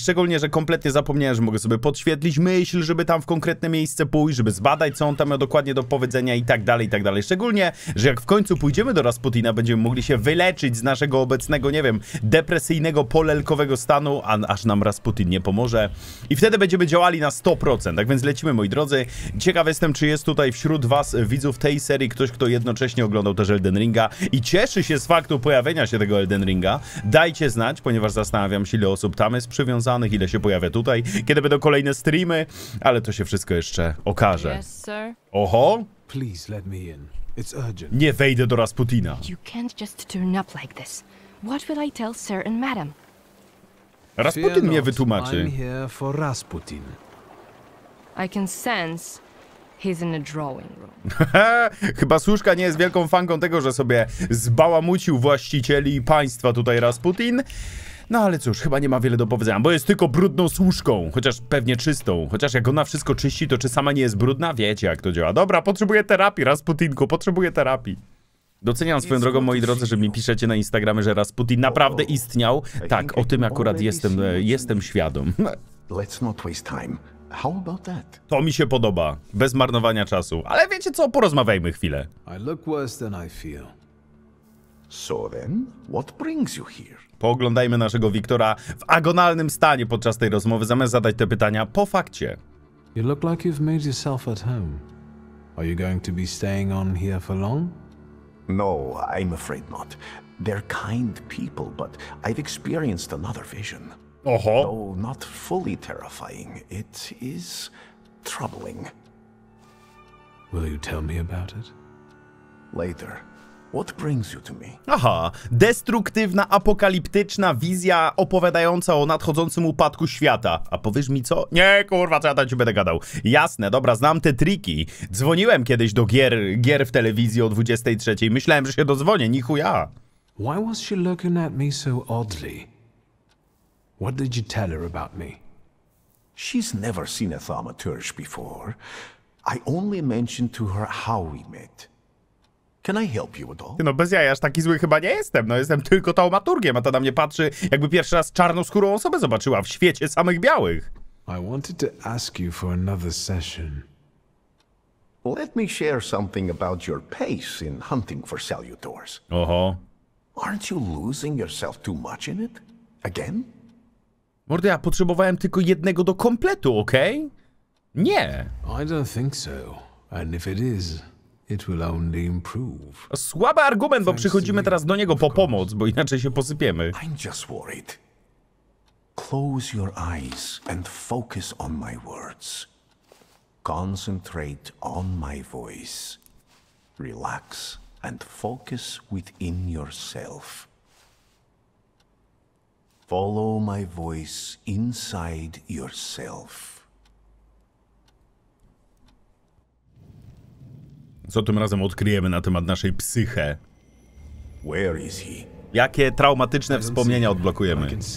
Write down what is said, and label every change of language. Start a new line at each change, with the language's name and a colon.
Polish: Szczególnie, że kompletnie zapomniałem, że mogę sobie podświetlić myśl, żeby tam w konkretne miejsce pójść, żeby zbadać, co on tam miał dokładnie do powiedzenia i tak dalej, szczególnie, że jak w końcu pójdziemy do Rasputina, będziemy mogli się wyleczyć z naszego obecnego, nie wiem, depresyjnego, polelkowego stanu, aż nam Rasputin nie pomoże i wtedy będziemy działali na 100%, tak więc lecimy, moi drodzy, ciekaw jestem, czy jest tutaj wśród was, widzów tej serii, ktoś, kto jednocześnie oglądał też Elden Ringa i cieszy się z faktu pojawienia się tego Elden Ringa. Dajcie znać, ponieważ zastanawiam się, ile osób tam jest przywiązanych, ile się pojawia tutaj, kiedy będą kolejne streamy, ale to się wszystko jeszcze okaże.
English: Yes, sir. Oho! Please let me in. It's urgent.
Polish: Nie wejdę do Rasputina.
English: You can't just turn up like this. What will I tell sir and madam?
Polish: Rasputin mnie wytłumaczy.
English: I'm here for Rasputin. I can sense he's in a drawing room.
Polish: Chyba Słuszka nie jest wielką fanką tego, że sobie zbałamucił właścicieli państwa tutaj Rasputin. No ale cóż, chyba nie ma wiele do powiedzenia, bo jest tylko brudną Słuszką, chociaż pewnie czystą. Chociaż jak ona wszystko czyści, to czy sama nie jest brudna? Wiecie, jak to działa. Dobra, potrzebuję terapii, Rasputinku, potrzebuję terapii. Doceniam swoją drogą, moi drodzy, że mi piszecie na Instagramie, że Rasputin naprawdę istniał. Tak, o tym akurat jestem świadom.
English: Let's not waste time. How about that?
Polish: To mi się podoba, bez marnowania czasu. Ale wiecie co, porozmawiajmy chwilę.
English: I look worse than I feel. So then, what brings you here?
Polish: Pooglądajmy naszego Wiktora w agonalnym stanie podczas tej rozmowy, zamiast zadać te pytania po fakcie.
English: You look like you've made yourself at home. Are you going to be staying on here for long? No, I'm afraid not. They're kind people, but I've experienced another vision. Oho. No, not fully terrifying. It is troubling. Will you tell me about it? Later. What brings you to me?
Polish: Aha, destruktywna, apokaliptyczna wizja opowiadająca o nadchodzącym upadku świata. A powiesz mi co? Nie, kurwa, co ja tam ci będę gadał. Jasne, dobra, znam te triki. Dzwoniłem kiedyś do gier w telewizji o 23. Myślałem, że się dodzwonię, nichuja.
English: Why was she looking at me so oddly? What did you tell her about me? She's never seen a thaumaturge before. I only mentioned to her how we met. Can I help you at all?
Polish: No bez jaj, aż taki zły chyba nie jestem. No jestem tylko taumaturgiem, a ta na mnie patrzy, jakby pierwszy raz czarnoskórą osobę zobaczyła w świecie samych białych.
English: I wanted to ask you for another session. Let me share something about your pace in hunting for salutors. Oho. Aren't you losing yourself too much in it? Again?
Polish: Mordy, ja potrzebowałem tylko jednego do kompletu, okej? Okay? Nie.
English: I don't think so. And if it is, it will only improve.
Polish: Słaby argument, bo przychodzimy teraz do niego po pomoc, bo inaczej się posypiemy.
English: I'm just worried. Close your eyes and focus on my words. Concentrate on my voice. Relax and focus within yourself. Follow my voice inside yourself.
Polish: Co tym razem odkryjemy na temat naszej psyche?
English: Where is he?
Polish: Jakie traumatyczne wspomnienia odblokujemy?